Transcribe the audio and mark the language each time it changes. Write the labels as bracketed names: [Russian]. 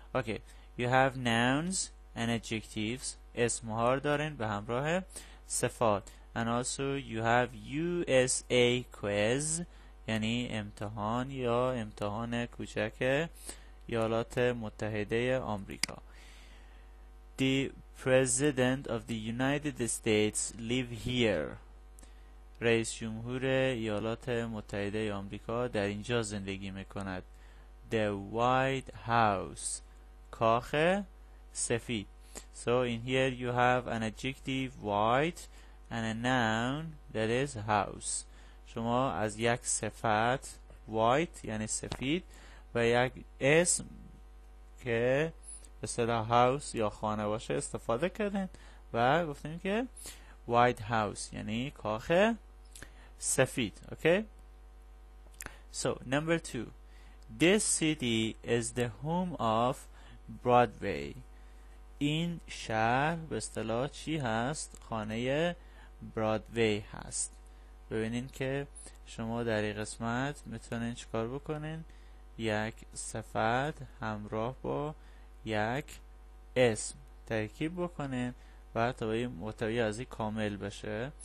[English] Okay, you have nouns and adjectives. [Persian] اسم ها رو دارین به همراه صفات. And also you have USA quiz، یعنی امتحان یا امتحان کوچک ایالات متحده آمریکا. [English] The president of the United States live here. [Persian] رئیس جمهور ایالات متحده آمریکا در اینجا زندگی میکند. [English] The White House. کاخ سفید. So in here you have an adjective white and a noun that is house. [Persian] شما از یک صفت white یعنی سفید و یک اسم که به صدا house یا خانه باشه استفاده کردن و گفتیم که white house یعنی کاخ سفید. [English] Okay, so number two, this city is the home of Broadway. [Persian] این شهر به اصطلاح چی هست؟ خانه برادوی هست. ببینین که شما در این قسمت میتونین چیکار بکنین؟ یک صفت همراه با یک اسم ترکیب بکنین و محتوی از این کامل بشه.